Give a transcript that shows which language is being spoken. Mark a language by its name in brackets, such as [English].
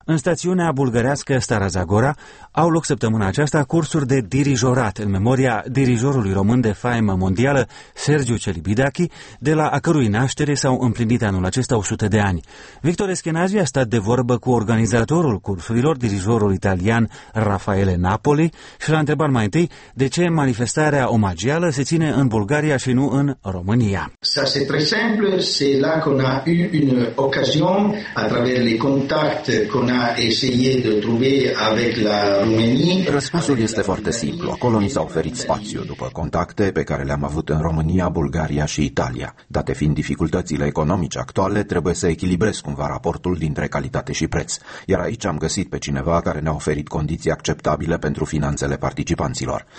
[Romanian] În stațiunea bulgărească Stara Zagora au loc săptămâna aceasta cursuri de dirijorat în memoria dirijorului român de faimă mondială, Sergiu Celibidache, de la a cărui naștere s-au împlinit anul acesta 100 de ani. Victor Eschenazi a stat de vorbă cu organizatorul cursurilor, dirijorul italian Raffaele Napoli, și l-a întrebat mai întâi de ce manifestarea omagială se ține în Bulgaria și nu în România. [French] Ça c'est très simple, c'est là qu'on a eu une occasion à travers les contacts qu'on a essayé de trouver avec la Roumanie. [Romanian] Răspunsul este foarte simplu. Acolo ni s-a oferit spațiu după contacte pe care le-am avut în România, Bulgaria și Italia. Date fiind dificultățile economice actuale, trebuie să echilibrez cumva raportul dintre calitate și preț. Iar aici am găsit pe cineva care ne-a oferit condiții acceptabile pentru finanțele participanților.